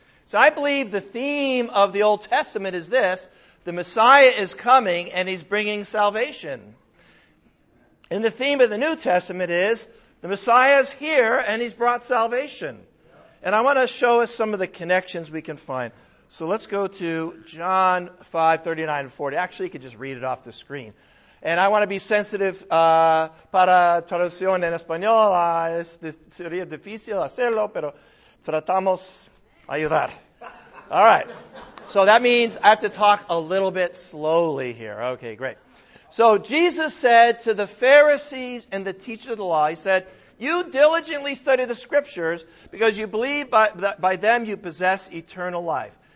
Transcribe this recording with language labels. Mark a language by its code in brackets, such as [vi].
[en] So I believe the theme of the Old Testament is this: the Messiah is coming and he's bringing salvation. And the theme of the New Testament is the Messiah is here and he's brought salvation. And I want to show us some of the connections we can find. So let's go to John 5, 39 and 40. Actually, you could just read it off the screen. And I want to be sensitive [es] para traducción en español. Sería difícil hacerlo, pero tratamos ayudar. [en] All right. So that means I have to talk a little bit slowly here. Okay, great. So Jesus said to the Pharisees and the teachers of the law, he said, "You diligently study the scriptures because you believe by them you possess eternal life.